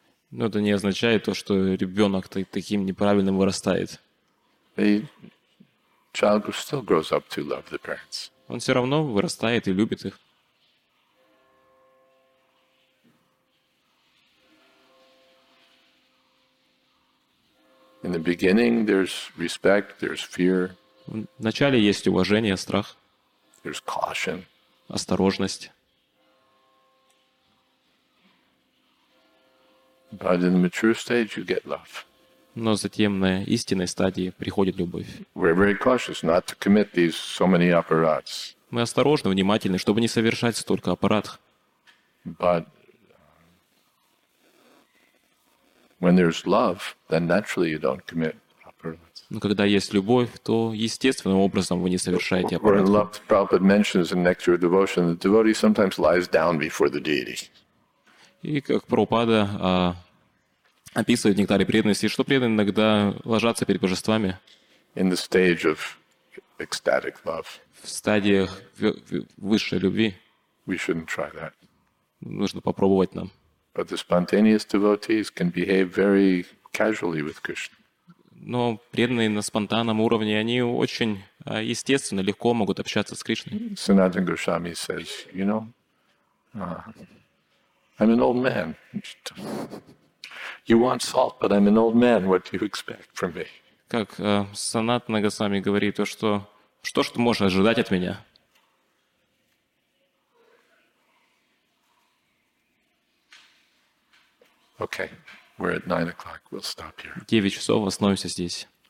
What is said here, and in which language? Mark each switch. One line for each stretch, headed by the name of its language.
Russian: Но это не означает то, что ребенок таким неправильным вырастает.
English: The child still grows up to love the parents.
Russian: Он все равно вырастает и любит их.
English: In the beginning there's respect, there's fear.
Russian: В начале есть уважение, страх.
English: There's caution.
Russian: Осторожность.
English: But in the mature stage you get love.
Russian: Но затем на истинной стадии приходит любовь.
English: We're very cautious not to commit these so many apparats.
Russian: Мы осторожны, внимательны, чтобы не совершать столько аппаратов.
English: But when there's love, then naturally you don't commit apparatus.
Russian: Но когда есть любовь, то естественным образом вы не совершаете аппаратов.
English: When love, Prabhupada mentions in Nectar of Devotion, the devotee sometimes lies down before the deity.
Russian: И как Прабхупада описывает в Нектаре преданности, что преданные иногда ложатся перед божествами.
English: In the stage of ecstatic love.
Russian: В стадиях высшей любви.
English: We shouldn't try that.
Russian: Нужно попробовать нам.
English: But the spontaneous devotees can behave very casually with Krishna.
Russian: Но преданные на спонтанном уровне, они очень естественно, легко могут общаться с Кришной.
English: Sanatana Goswami says, you know, I'm an old man. You want salt, but I'm an old man. What do you expect from me?
Russian: Как Санатана Госвами говорит, то что что ж ты можешь ожидать от меня?
English: Okay, we're at 9 o'clock. We'll stop here.
Russian: 9 часов, остановимся здесь.